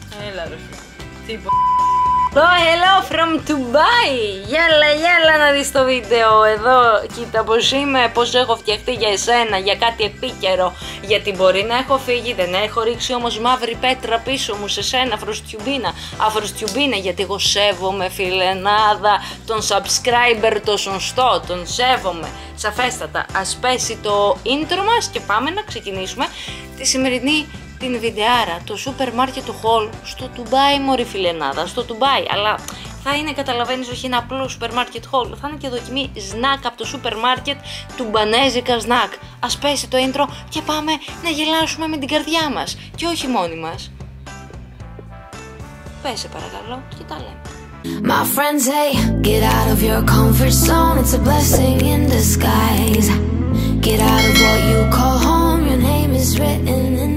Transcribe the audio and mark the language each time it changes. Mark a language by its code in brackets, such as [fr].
[en] Έλα, hello, hello from Dubai! [el] Γέλα, γέλα να δεις το βίντεο εδώ. Κοίτα πως είμαι, πως έχω φτιαχτεί για εσένα, για κάτι επίκαιρο. Γιατί μπορεί να έχω φύγει, δεν έχω ρίξει όμως μαύρη πέτρα πίσω μου σε σένα, αφροστιουμπίνα. Αφροστιουμπίνα, γιατί εγώ σέβομαι, φιλενάδα, τον subscriber, το σωστό, τον σέβομαι. Σαφέστατα, ας πέσει το intro μας και πάμε να ξεκινήσουμε τη σημερινή την βιντεάρα, το supermarket haul στο Dubai, μωρή φιλενάδα, στο Dubai, αλλά θα είναι, καταλαβαίνεις, όχι ένα απλό supermarket haul, θα είναι και δοκιμή snack από το supermarket του Μπανέζικα snack. Ας πέσει το intro και πάμε να γελάσουμε με την καρδιά μας και όχι μόνοι μας. Πέσε παρακαλώ και τα λέμε. [en] My friends say, get out of your comfort zone, it's a blessing in disguise. Get out of what you call home, your name is written.